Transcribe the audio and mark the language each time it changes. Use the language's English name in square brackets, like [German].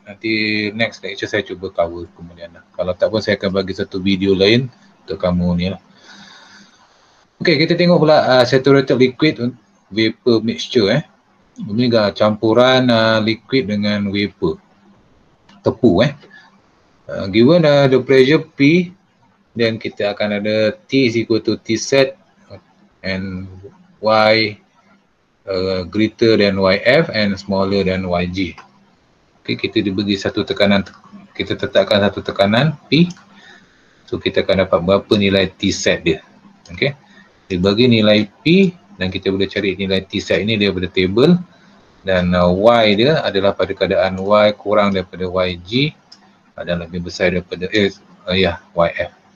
[Malay] Nanti [English] next lecture [Malay] saya cuba cover kemudian lah. Kalau tak pun saya akan bagi satu video lain untuk kamu ni lah. Okey, kita tengok pula saturated liquid vapor mixture, eh. Ini adalah campuran liquid dengan vapor. Tepu, eh. [English] Given the pressure P, then [Malay] kita akan ada [English] T is equal to T set and Y greater than YF and smaller than YG. [Malay] Okey, kita diberi satu tekanan, kita tetapkan satu tekanan P. So kita akan dapat berapa nilai T set dia. Okey. Dia bagi nilai P dan kita boleh cari nilai T set ini daripada table. Dan Y dia adalah pada keadaan Y kurang daripada YG dan lebih besar daripada YF.